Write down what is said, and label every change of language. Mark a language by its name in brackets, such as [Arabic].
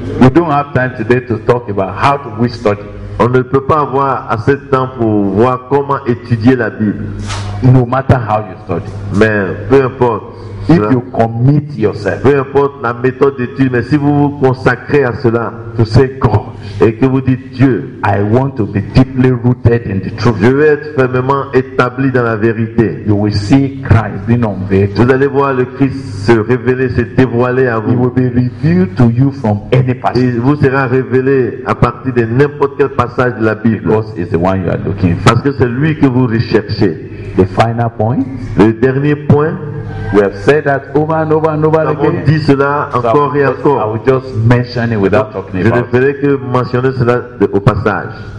[English] We don't have time today to talk about how do we study. [French] On ne peut pas avoir assez de temps pour voir comment étudier la Bible. [English] No matter how you study. [French] Mais peu importe. [English] If cela, you commit yourself. [French] Peu importe la méthode d'étude, mais si vous vous consacrez à cela, [English] to say God, [French] et que vous dites Dieu, [English] I want to be deeply rooted in the truth. [French] Je veux être fermement établi dans la vérité. [English] You will see Christ being unveiled. [French] Vous allez voir le Christ se révéler, se dévoiler à vous. [English] He will be revealed to you from any passage. [French] Il vous sera révélé à partir de n'importe quel passage de la Bible. [English] Because it's the one you are looking for. [French] Parce que c'est lui que vous recherchez. [English] The final point. [French] Le dernier point. [English] We have said that over and over and over again. [French] Dit cela encore et encore. [English] I will just mention it without talking about. [French] Je ne ferai que mentionner cela au passage.